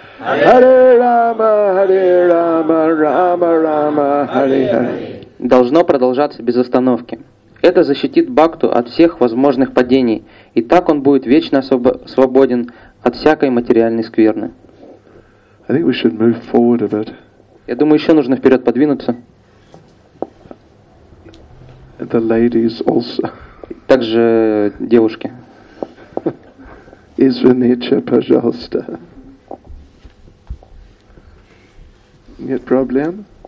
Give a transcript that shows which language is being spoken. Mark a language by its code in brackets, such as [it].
[ru] Харе Рама! Харе Рама! Рама Рама! Харе Харе!» должно продолжаться без остановки. Это защитит бхакту от всех возможных падений, и так он будет вечно свободен от всякой материальной скверны. [en] I think we should move forward a bit. [ru] Я думаю, еще нужно вперед подвинуться. [en] The ladies also. [ru] Также девушки. Извините, пожалуйста. Нет проблем?